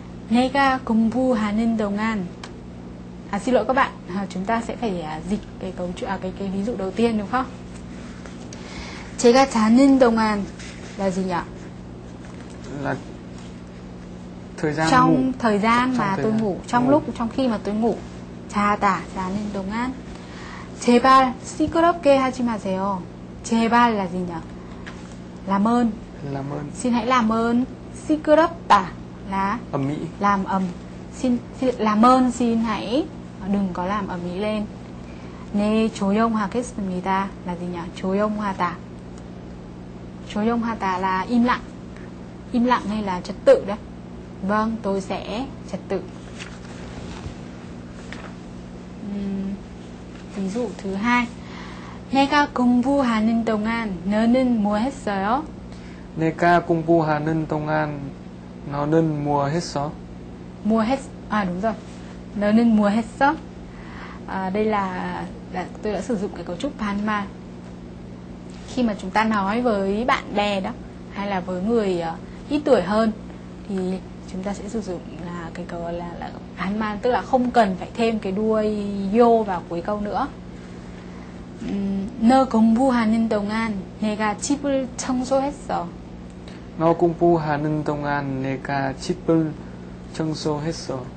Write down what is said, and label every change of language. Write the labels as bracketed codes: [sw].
[ko] 내가 공부하는 동안, [vi] xin lỗi các bạn, chúng ta sẽ phải dịch cái cấu trúc, cái ví dụ đầu tiên, đúng không? [ko] 제가 자는 동안 [vi] là gì nhỉ? Là thời gian trong ngủ. Thời gian trong mà thời tôi gian. Ngủ, trong ngủ. Lúc, trong khi mà tôi ngủ. [ko] 자다, 자는 동안. 제발 시끄럽게 하지 마세요. [vi] 제발 là gì nhỉ? Làm ơn. Làm ơn. Xin hãy làm ơn. 시끄럽다 là ầm ĩ. Làm ầm. Xin làm ơn, xin hãy đừng có làm ầm ĩ lên. [ko] 네, 조용하겠습니다 [vi] là gì nhỉ? [ko] 조용하다. [vi] 조용하다 là im lặng. Im lặng hay là trật tự đấy. Vâng, tôi sẽ trật tự. Ví dụ thứ hai. [ko] 내가 공부하는 동안 너는 뭐 했어요? 내가 공부하는 동안 너는 뭐 했어? 뭐 했? 아, [vi] đúng rồi. [ko] 너는 뭐 했어? [vi] Đây là tôi đã sử dụng cái cấu trúc 반말. Khi mà chúng ta nói với bạn bè đó, hay là với người ít tuổi hơn, thì chúng ta sẽ sử dụng là cái câu là 반말, tức là không cần phải thêm cái đuôi 요 vào cuối câu nữa. [ko] 너 공부하는 동안 내가 집을 청소했어. 너 공부하는 동안 내가 집을 청소했어.